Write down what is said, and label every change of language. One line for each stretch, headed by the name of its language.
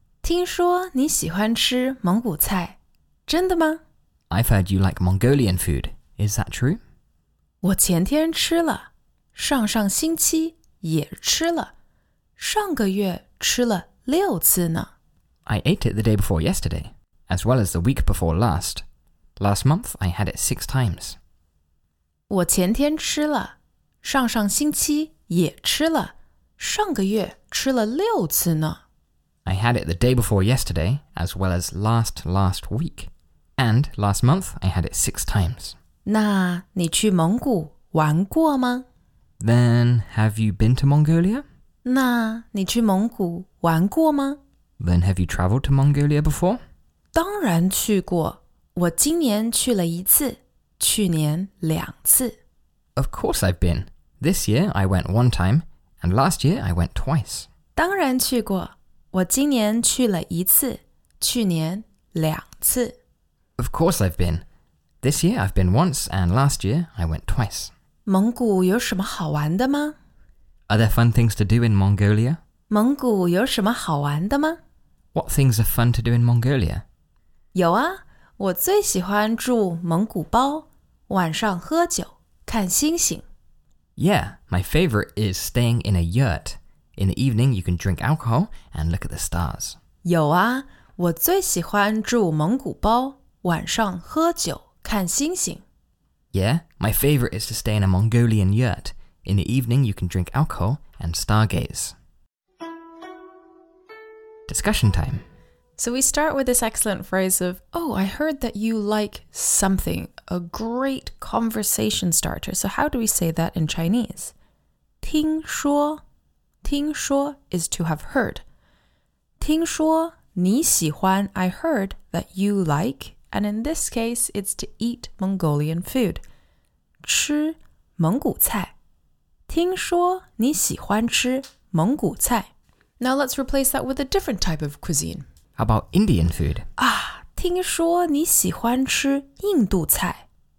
Chinese: 听说你喜欢吃蒙古菜。真的吗?
English: I've heard you like Mongolian food. Is that true?
Chinese: 我前天吃了,上上星期也吃了,上个月吃了6次呢。
English: I ate it the day before yesterday, as well as the week before last. Last month, I had it 6 times.
Chinese: 我前天吃了,上上星期 也吃了,上个月吃了6次呢。
English: I had it the day before yesterday, as well as last week. And last month, I had it 6 times.
Chinese: 那你去蒙古玩过吗?
English: Then, have you been to Mongolia?
Chinese: 那你去蒙古玩过吗?
English: Then, have you traveled to Mongolia before?
Chinese: 当然去过,我今年去了一次,去年两次。
English: Of course I've been. This year, I went 1 time, and last year, I went 2 times.
Chinese: 当然去过,我今年去了一次,去年两次。
English: Of course I've been. This year, I've been 1 time, and last year, I went 2 times.
Chinese: 蒙古有什么好玩的吗?
English: Are there fun things to do in Mongolia?
Chinese: 蒙古有什么好玩的吗?
English: What things are fun to do in Mongolia?
Chinese: 有啊,我最喜欢住蒙古包,晚上喝酒,看星星。
English: Yeah, my favorite is staying in a yurt. In the evening, you can drink alcohol and look at the stars.
Chinese: 有啊，我最喜欢住蒙古包，晚上喝酒，看星星。
English: Yeah, my favorite is to stay in a Mongolian yurt. In the evening, you can drink alcohol and stargaze. Discussion time. So we start with this excellent phrase of, oh, I heard that you like something, a great conversation starter. So how do we say that in Chinese? 听说 is to have heard.
Chinese: 听说你喜欢,
English: I heard that you like, and in this case, it's to eat Mongolian food.
Chinese: 吃蒙古菜。听说你喜欢吃蒙古菜。
English: Now let's replace that with a different type of cuisine. How about Indian food?
Chinese: 啊，听说你喜欢吃印度菜。